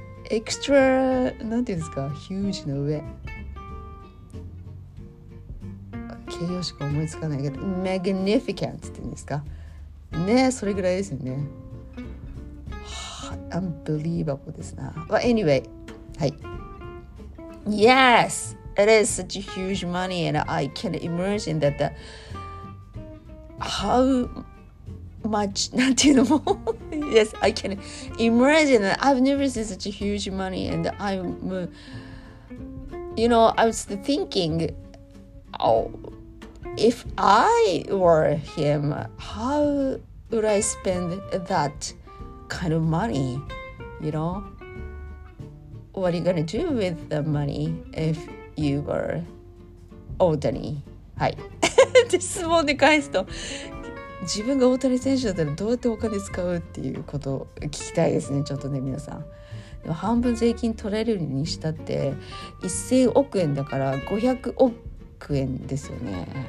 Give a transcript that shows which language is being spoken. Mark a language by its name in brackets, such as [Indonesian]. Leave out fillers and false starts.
[Japanese] エクストラ、なんていうんですか、ヒュージの上。形容詞が思いつかないけど、マグニフィカントって言うんですか。ね、それぐらいですよね。アンビリーバブルですな。 [English] But anyway, [Japanese] はい。 [English] Yes, it is such a huge money and I can imagine that the... How... much, [Japanese] なんていうのも [English] Yes, I can imagine that I've never seen such a huge money and I'm you know, I was thinking, oh, if I were him, how would I spend that kind of money? You know, what are you gonna do with the money if you were Otani? [Japanese] はい、質問で返すと、自分が大谷選手だったらどうやってお金使うっていうことを聞きたいですね。ちょっとね、皆さん、でも半分税金取れるにしたって1000億円だから500億円ですよね。